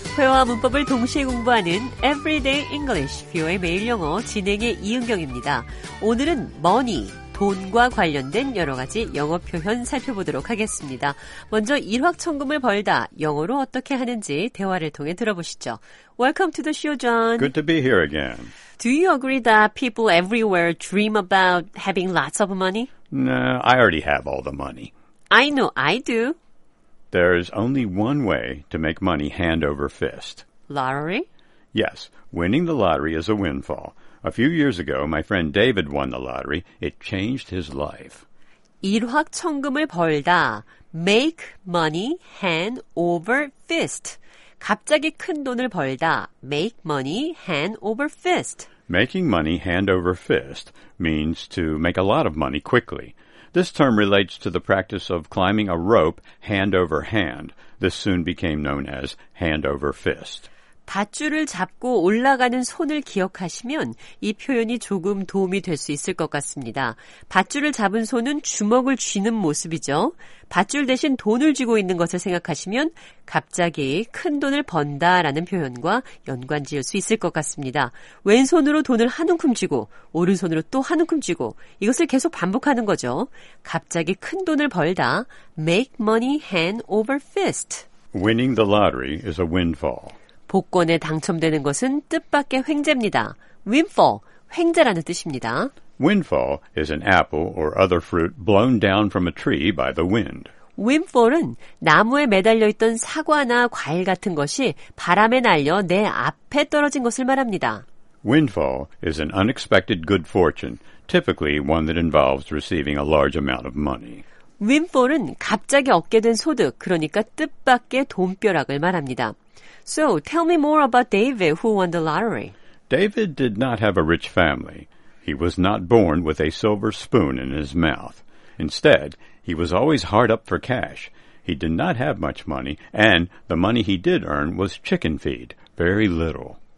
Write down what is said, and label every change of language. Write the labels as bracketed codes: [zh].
[ko] 회화와 문법을 동시에 공부하는 Everyday English, 뷰의 매일 영어 진행의 이은경입니다. 오늘은 money, 돈과 관련된 여러 가지 영어 표현 살펴보도록 하겠습니다. 먼저 일확천금을 벌다, 영어로 어떻게 하는지 대화를 통해 들어보시죠. [en] Welcome to the show, John. Good to be here again. Do you agree that people everywhere dream about having lots of money? No, I already have all the money. I know, I do. There is only one way to make money hand over fist. Lottery? Yes, winning the lottery is a windfall. A few years ago, my friend David won the lottery. It changed his life. [ko] 일확천금을 벌다, [en] make money hand over fist. [ko] 갑자기 큰 돈을 벌다, [en] make money hand over fist. Making money hand over fist means to make a lot of money quickly. This term relates to the practice of climbing a rope hand over hand. This soon became known as hand over fist. [ko] 밧줄을 잡고 올라가는 손을 기억하시면 이 표현이 조금 도움이 될 수 있을 것 같습니다. 밧줄을 잡은 손은 주먹을 쥐는 모습이죠. 밧줄 대신 돈을 쥐고 있는 것을 생각하시면 갑자기 큰 돈을 번다라는 표현과 연관 지을 수 있을 것 같습니다. 왼손으로 돈을 한 움큼 쥐고 오른손으로 또 한 움큼 쥐고 이것을 계속 반복하는 거죠. 갑자기 큰 돈을 벌다, [en] make money hand over fist. Winning the lottery is a windfall. [ko] 복권에 당첨되는 것은 뜻밖의 횡재입니다. [en] Windfall, [ko] 횡재라는 뜻입니다. [en] Windfall is an apple or other fruit blown down from a tree by the wind. [ko] Windfall은 나무에 매달려 있던 사과나 과일 같은 것이 바람에 날려 내 앞에 떨어진 것을 말합니다. [en] Windfall is an unexpected good fortune, typically one that involves receiving a large amount of money. [ko] Windfall은 갑자기 얻게 된 소득, 그러니까 뜻밖의 돈벼락을 말합니다. [en] So, tell me more about David who won the lottery. David did not have a rich family. He was not born with a silver spoon in his mouth. Instead, he was always hard up for cash. He did not have much money, and the money he did earn was chicken feed, very little.